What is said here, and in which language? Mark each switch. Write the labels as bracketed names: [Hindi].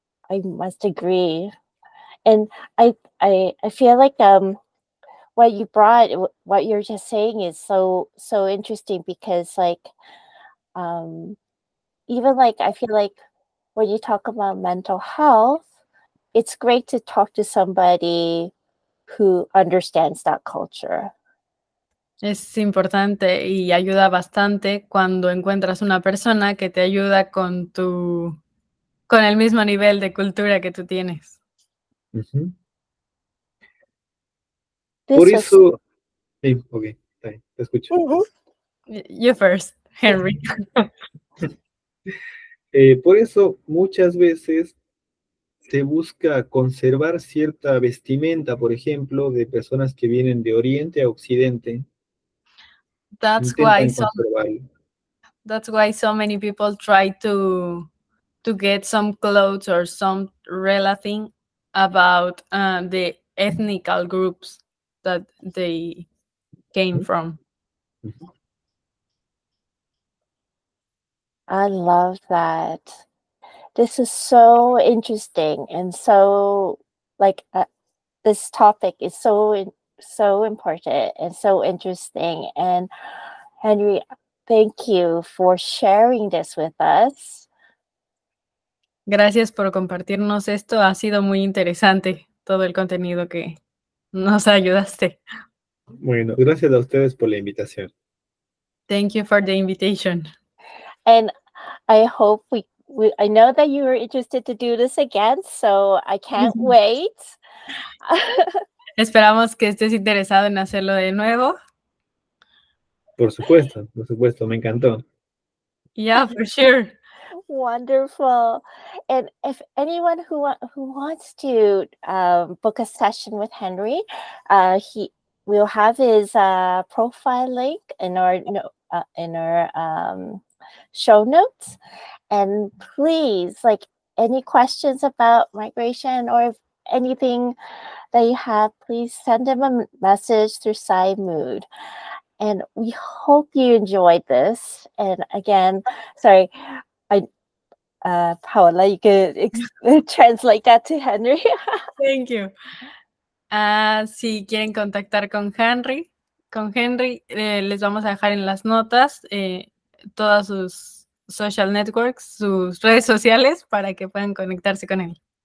[English] I must agree, and I feel like what you're just saying is so interesting, because I feel like when you talk about mental health, it's great to talk to somebody who understands that culture. [Spanish] Es importante y ayuda bastante cuando encuentras una persona que te ayuda con el mismo nivel de cultura que tú tienes. Por eso, sí, ok, te escucho. [English] You first, Henry. [Spanish] Por eso muchas veces se busca conservar cierta vestimenta, por ejemplo, de personas que vienen de Oriente a Occidente. [English] That's why so many people try to get some clothes or some relating about the ethnical groups that they came from. I love that. This is so interesting and so like this topic is so important and so interesting. And Henry, thank you for sharing this with us. [Spanish] Gracias por compartirnos esto. Ha sido muy interesante todo el contenido que nos ayudaste. Bueno, gracias a ustedes por la invitación. [English] Thank you for the invitation. And I hope I know that you are interested to do this again, so I can't wait. [Spanish] Esperamos que estés interesado en hacerlo de nuevo. Por supuesto, me encantó. [English] Yeah, for sure. Wonderful. And if anyone who wants to book a session with Henry, he will have his profile link in our show notes. And please, like any questions about migration or if anything that you have, please send him a message through SciMood. And we hope you enjoyed this. And again, sorry, Paola, you could translate that to Henry. Thank you. [Spanish] Si quieren contactar con Henry, les vamos a dejar en las notas todas sus [English] social networks, [Spanish] sus redes sociales, para que puedan conectarse con él.